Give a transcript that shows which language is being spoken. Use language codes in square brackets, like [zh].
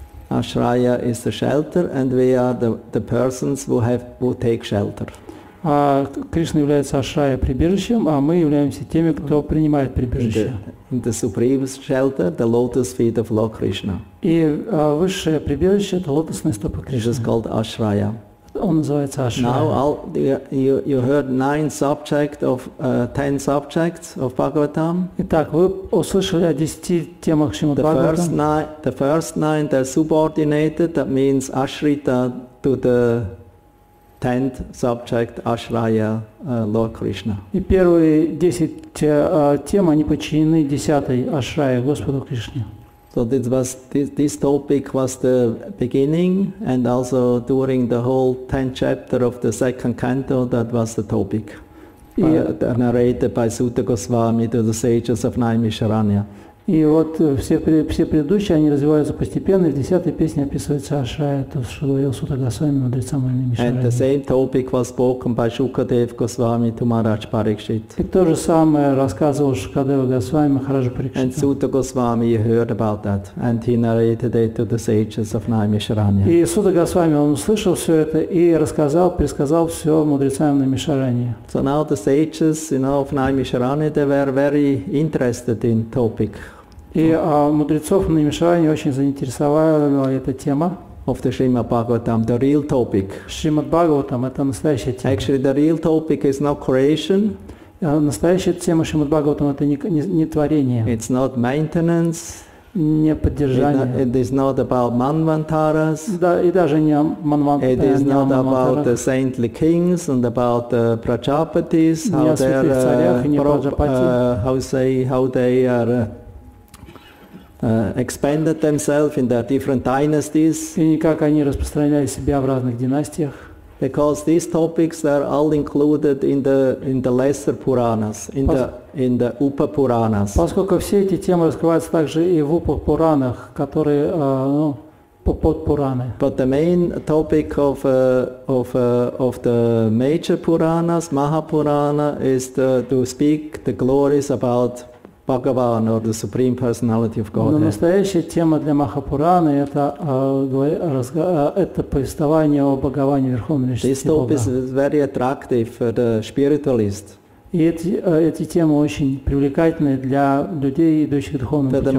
[en] Ashraya is the shelter, and we are the persons who take shelter. [ru] А Кришна является ашрая прибежищем, а мы являемся теми, кто принимает прибежище. [en] The supreme shelter, the lotus feet of Lord Krishna. [ru] И высшее прибежище – это лотосные стопы Кришны. [en] It is called ashraya. [ru] Он называется ашрая. [en] Now you heard nine subject of ten subjects of Bhagavatam. [ru] Итак, вы услышали о десяти темах Шримад [en] Бхагаватам. The first nine, they're subordinated. That means ashrita to the tenth subject, ashraya, Lord Krishna. [ru] И первые десять тем они подчинены десятой ашрая Господу Кришне. [en] So this topic was the beginning, and also during the whole tenth chapter of the second canto, that was the topic, narrated by Sutta Goswami to the sages of Naimisharanya. [ru] И вот все предыдущие, они развиваются постепенно, и в десятой песне описывается ашрая, то, что говорил Сута Госвами, мудрецам и Мишарани. [en] And the same topic was spoken by Shukadev Goswami to Maharaj Parikshit. [ru] И то же самое рассказывал Шукадева Госвами Махараджа Парикшита. [en] And Sutta Goswami heard about that, and he narrated it to the sages of Naimisharanya. [ru] И Сута Госвами, он услышал все это и рассказал, пересказал все мудрецам и Мишарани. [en] So now the sages, you know, of Naimisharanya, they were very interested in topic. [ru] И мудрецов на Мишаране очень заинтересовала эта тема. [en] Of the Shrimad Bhagavatam, the real topic. [ru] Shrimad Bhagavatam – это настоящая тема. [en] Actually, the real topic is not creation. [ru] Настоящая тема Shrimad Bhagavatam – это не творение. [en] It's not maintenance. [ru] Не поддержание. [en] It is not about manvantaras. [ru] Да, и даже не манвантарах. [en] It is not about the saintly kings and about the prajapatis. [ru] Не о святых царях и не праджапати. [en] How they are... expanded themselves in their different dynasties. [ru] И как они распространяли себя в разных династиях. [en] Because these topics are all included in the lesser Puranas, in the Upa Puranas. [ru] Поскольку все эти темы раскрываются также и в Упа Пуранах, которые под Пураны. [en] But the main topic of the major Puranas, Mahapurana, is to speak the glories about Bhagavan or the Supreme Personality of Godhead. [ru] Но настоящая тема для Махапураны это это повествование о Бхагаване Верховной Личности Бога. [en] This topic is very attractive for the spiritualist. [ru] И эти темы очень привлекательны для людей, идущих духовным путем.